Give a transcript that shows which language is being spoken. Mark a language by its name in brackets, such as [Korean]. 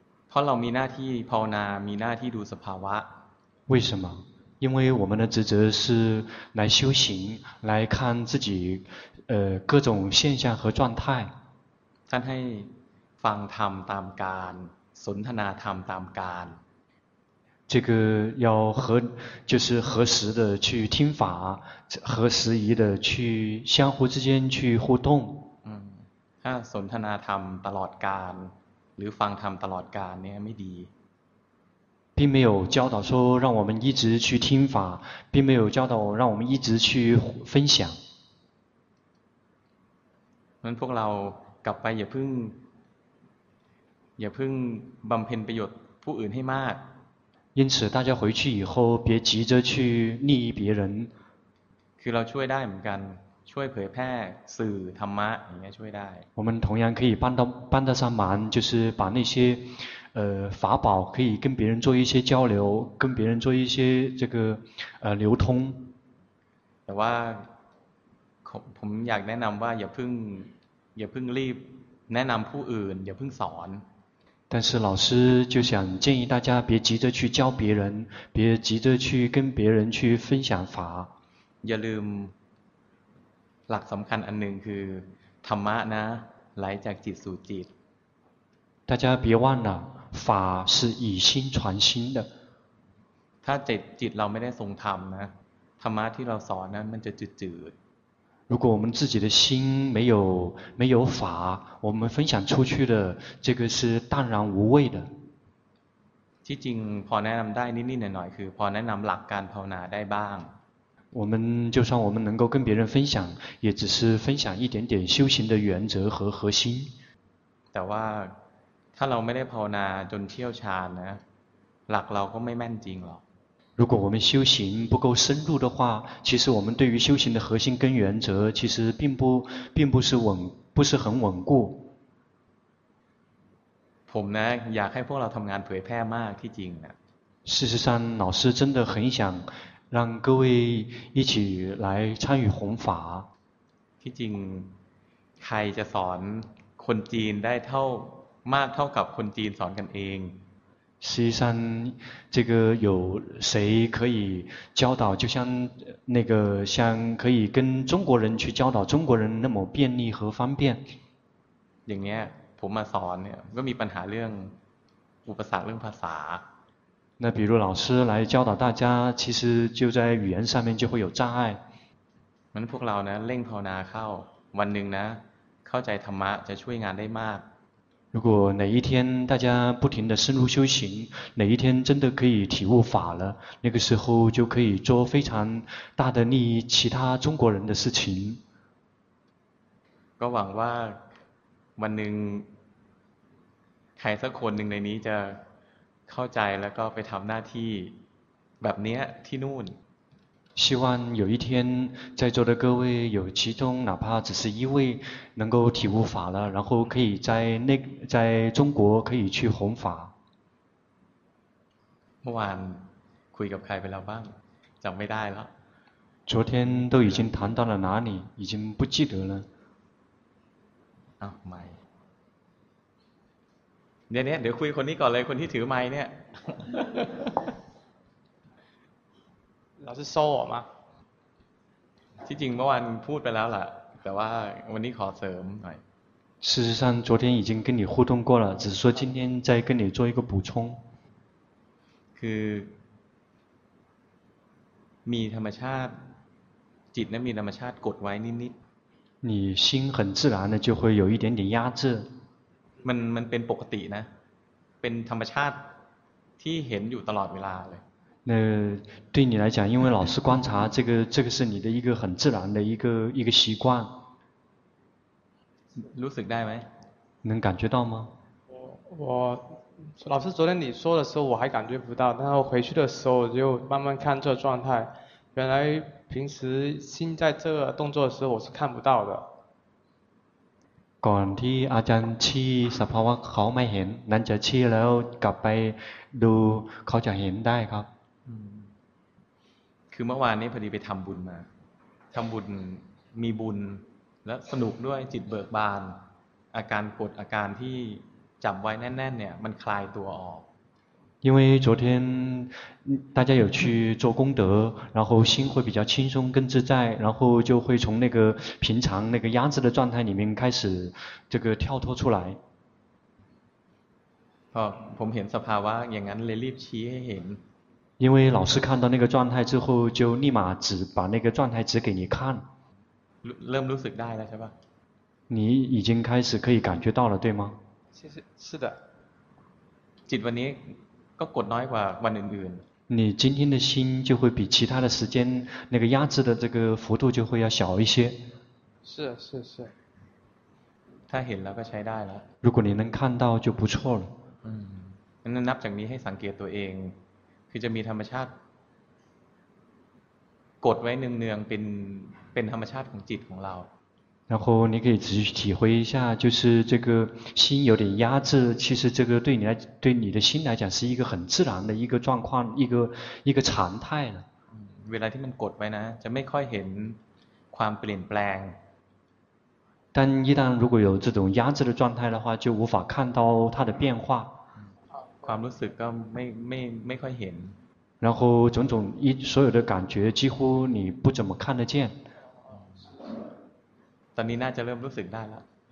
[Thai] เพราะเรามีหน้าที่ภาวนามีหน้าที่ดูสภาวะ [Chinese] 为什么因为我们的职责是来修行来看自己各种现象和状态 [Thai] ท่านให้ฟังธรรมตามการสนทนาธรรมตามการ [Chinese] 这个要合就是合时的去听法合时宜的去相互之间去互动 [Thai] ถ้าสนทนาธรรมตลอดการหรือฟังธรรมตลอดการเนี่ยไม่ดี [Chinese] 并没有教导说让我们一直去听法并没有教导让我们一直去分享 [Thai] งั้นพวกเรากลับไปอย่าเพิ่งบำเพ็ญประโยชน์ผู้อื่นให้มาก [Chinese] 因此大家回去以后别急着去利益别人 [Thai] คือเราช่วยได้เหมือนกันช่วยเผยแพร่สื่อธรรมะอย่างเงี้ยช่วยได้ [Chinese] 我们同样可以帮得上忙就是把那些法宝可以跟别人做一些交流跟别人做一些这个流通 [Thai] แต่ว่าผมอยากแนะนำว่าอย่าเพิ่งรีบแนะนำผู้อื่นอย่าเพิ่งสอน [Chinese] 但是老师就想建议大家别急着去教别人别急着去跟别人去分享法 [Thai] อย่าลืมหลักสำคัญอันหนึ่งคือธรรมะนะไหลจากจิตสู่จิต [Chinese] 大家别忘了法是以心传心的 [Thai] ถ้าจิตเราไม่ได้ทรงธรรมนะธรรมะที่เราสอนนั้นมันจะจืด [Chinese] 如果我们自己的心没有法我们分享出去的这个是淡然无味的 [Thai] ที่จริงพอแนะนำได้นิดๆหน่อยๆคือพอแนะนำหลักการภาวนาได้บ้าง [Chinese] 我们就算我们能够跟别人分享也只是分享一点点修行的原则和核心 [Thai] แต่ว่าถ้าเราไม่ได้ภาวนาจนเชี่ยวชาญนะหลักเราก็ไม่แม่นจริงหรอก [Chinese] 如果我们修行不够深入的话其实我们对于修行的核心跟原则其实并不是稳不是很稳固 [Thai] ผมนะอยากให้พวกเราทำงานเผยแพร่มากที่จริงนะ [Chinese] 事实上老师真的很想让各位一起来参与弘法 [Thai] ที่จริงใครจะสอนคนจีนได้เท่ามากเท่ากับคนจีนสอนกันเอง [Chinese] 实际上这个有谁可以教导就像那个像可以跟中国人去教导中国人那么便利和方便 [Thai] อย่างเงี้ยผมมาสอนเนี่ยก็มีปัญหาเรื่องอุปสรรคเรื่องภาษา [Chinese] 那比如老师来教导大家其实就在语言上面就会有障碍 [Thai] มันพวกเรานะเร่งภาวนาเข้าวันหนึ่งนะเข้าใจธรรมะจะช่วยงานได้มาก [Chinese] 如果哪一天大家不停地深入修行哪一天真的可以体悟法了那个时候就可以做非常大的利益其他中国人的事情 [Thai] ก็หวังว่าวันหนึ่งใครสักคนหนึ่งในนี้จะเข้าใจแล้วก็ไปทำหน้าที่แบบนี้ที่นู่น [Chinese] 希望有一天在座的各位有其中哪怕只是一位能够体悟法了然后可以在中国可以去弘法 [Thai] เมื่อวานคุยกับใครไปแล้วบ้างจำไม่ได้แล้ว [Chinese] 昨天都已经谈到了哪里已经不记得了 [Thai] อ้าวไม่เนี่ยเดี๋ยวคุยคนนี้ก่อนเลยคนที่ถือไม้เนี่ย [Chinese] 老师说我吗 [Thai] ที่จริงเมื่อวานพูดไปแล้วล่ะแต่ว่าวันนี้ขอเสริมหน่อย [Chinese] 事实上昨天已经跟你互动过了只是说今天再跟你做一个补充 [Thai] คือมีธรรมชาติจิตนั้นมีธรรมชาติกดไว้นิด [Chinese] ๆ你心很自然的就会有一点点压制 [Thai] มันเป็นปกตินะเป็นธรรมชาติที่เห็นอยู่ตลอดเวลาเลย [Chinese] 那对你来讲因为老师观察这个是你的一个很自然的一个习惯 [Thai] รู้สึกได้ไหม [Chinese] 能感觉到吗我老师昨天你说的时候我还感觉不到但是回去的时候我就慢慢看这个状态原来平时心在这个动作的时候我是看不到的 [Thai] ก่อนที่อาจารย์ชี้สภาวะเขาไม่เห็นนั้นจะชี้แล้วกลับไปดูเขาจะเห็นได้ครับ คือเมื่อวานนี้พอดีไปทำบุญมาทำบุญมีบุญและสนุกด้วยจิตเบิกบานอาการกดอาการที่จับไว้แน่นๆเนี่ยมันคลายตัวออก [Chinese] 因为昨天大家有去做功德然后心会比较轻松更自在然后就会从那个平常那个压制的状态里面开始这个跳脱出来 [Thai] ผมเห็นสภาวะอย่างนั้นเลยรีบชี้ให้เห็น [Chinese] 因为老师看到那个状态之后就立马指把那个状态指给你看 [Thai] เริ่มรู้สึกได้แล้วใช่ป่ะ [Chinese] 你已经开始可以感觉到了对吗是的 [Thai] จิตวันนี้ก็กดน้อยกว่าวันอื่น [Chinese] ๆ你今天的心就会比其他的时间那个压制的这个幅度就会要小一些是 [Thai] ถ้าเห็นแล้วก็ใช้ได้แล้ [Chinese] ว如果你能看到就不错 [Thai] 了นับจากนี้ให้สังเกตตัวเองคือจะมีธรรมชาติกดไว้เนืองๆเป็นธรรมชาติของจิตของเรา [Chinese] 然后你可以仔细体会一下就是这个心有点压制其实这个对你的心来讲是一个很自然的一个状况一个常态了 [Thai] เวลาที่มันกดไว้นะจะไม่ค่อยเห็นความเปลี่ยนแปลง [Chinese] 但一旦如果有这种压制的状态的话就无法看到它的变化 [Thai] ความรู้สึกก็ไม่ค่อยเห็น [Chinese] 然后种所有的感觉几乎你不怎么看得见 [Thai] ตอนนี้น่าจะเริ่มรู้สึกได้แล้ว